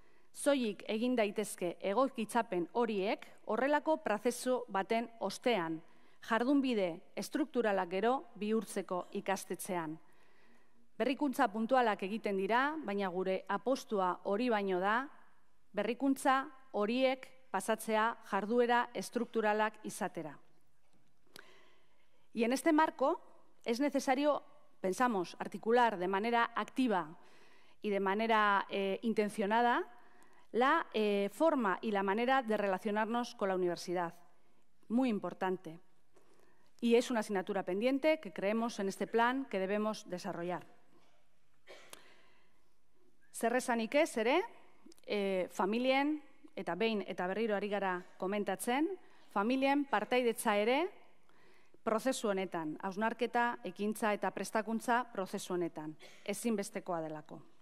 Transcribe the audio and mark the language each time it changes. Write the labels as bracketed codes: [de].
[eu] Soilik egin daitezke egokitzapen horiek horrelako prozesu baten ostean, jardunbide estrukturalak gero bihurtzeko ikastetxean. Berrikuntza puntualak egiten dira, baina gure apostua hori baino da, berrikuntza horiek pasatzea jarduera estrukturalak izatera. [es] Y en este marco es necesario, pensamos, articular de manera activa y de manera intencionada la forma y la manera de relacionarnos con la universidad. Muy importante. Y es una asignatura pendiente que creemos en este plan que debemos desarrollar. [eu] Zer esanik ez ere, familien, eta behin eta berriro ari gara komentatzen, familien partaidetza ere prozesu honetan, hausnarketa, ekintza eta prestakuntza prozesu honetan, ezinbestekoa delako.